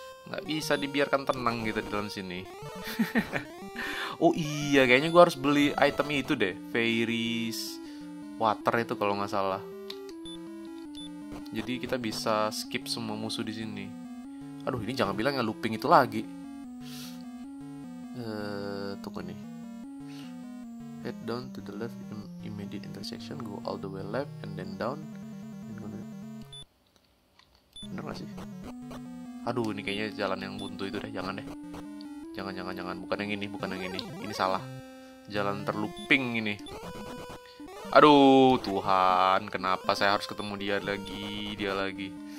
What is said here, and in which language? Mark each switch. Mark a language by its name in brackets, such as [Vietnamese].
[Indonesian] Gak bisa dibiarkan tenang gitu di dalam sini. Oh iya, kayaknya gue harus beli item itu deh. Fairies Water itu kalau gak salah. Jadi kita bisa skip semua musuh di sini. Aduh, ini jangan bilang ya looping itu lagi. Tunggu nih. [English] Head down to the left in immediate intersection, go all the way left and then down. [Indonesian] Bener gak sih? Aduh, ini kayaknya jalan yang buntu itu deh, jangan deh. Jangan, bukan yang ini. Ini salah. Jalan terlooping ini. Aduh, Tuhan, kenapa saya harus ketemu dia lagi.